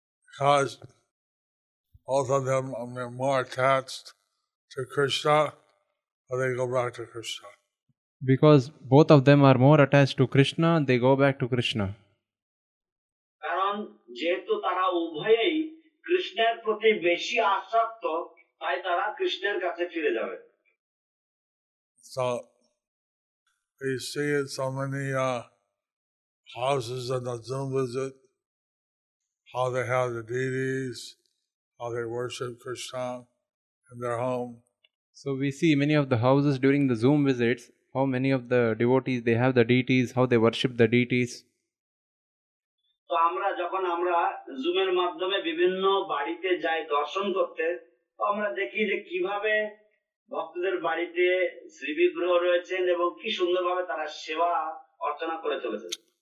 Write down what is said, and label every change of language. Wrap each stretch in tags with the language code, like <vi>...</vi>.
<en>Because both of them are more attached to Krishna, or they go back to Krishna. Because both of them are more attached to Krishna, they go back to Krishna.</en> <bn>যেহেতু তারা উভয়েই কৃষ্ণের প্রতি বেশি আসক্ত, তাই তারা কৃষ্ণের কাছে ফিরে যাবে।</bn> <en>So, we see in so many houses on the Zoom visit, how they have the deities, how they worship Krishna in their home. So, we see many of the houses during the Zoom visits, how many of the devotees, they have the deities, how they worship the deities.</en> <bn>তো আমরা যখন আমরা জুমের মাধ্যমে বিভিন্ন বাড়িতে যাই দর্শন করতে, তো আমরা দেখি যে কিভাবে ভক্তদের বাড়িতে শ্রী বিগ্রহ রয়েছেন এবং কি সুন্দরভাবে তারা সেবা অর্চনা করে চলেছেন।</bn>